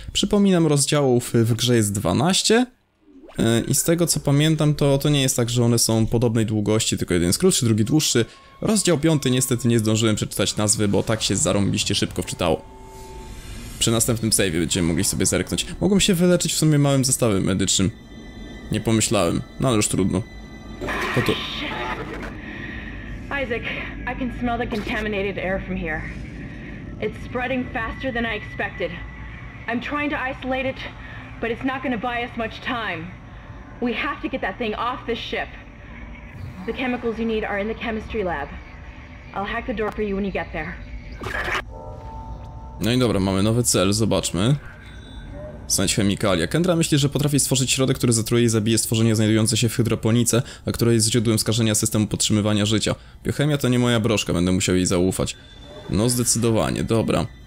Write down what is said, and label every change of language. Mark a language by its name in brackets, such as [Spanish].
[Polish] Przypominam, rozdziałów w grze jest 12. I z tego co pamiętam, to nie jest tak, że one są podobnej długości, tylko jeden jest krótszy, drugi dłuższy. Rozdział piąty niestety nie zdążyłem przeczytać nazwy, bo tak się zarąbiście szybko wczytało. Przy następnym save'ie będziemy mogli sobie zerknąć. Mogłem się wyleczyć w sumie małym zestawem medycznym. Nie pomyślałem, no ale już trudno. Po to. [English] Isaac, I can smell the contaminated air from here. It's spreading faster than I expected. I'm trying to isolate it, but it's not gonna buy us much time. We have to get that thing off this ship. The chemicals you need are in the chemistry lab. I'll hack the door for you when you get there. [Polish] No i dobra, mamy nowy cel, zobaczmy. Znajdź chemikalia. Kendra myśli, że potrafi stworzyć środek, który zatruje i zabije stworzenie znajdujące się w hydroponice, a które jest źródłem skażenia systemu podtrzymywania życia. Biochemia to nie moja broszka, będę musiał jej zaufać. No zdecydowanie, dobra.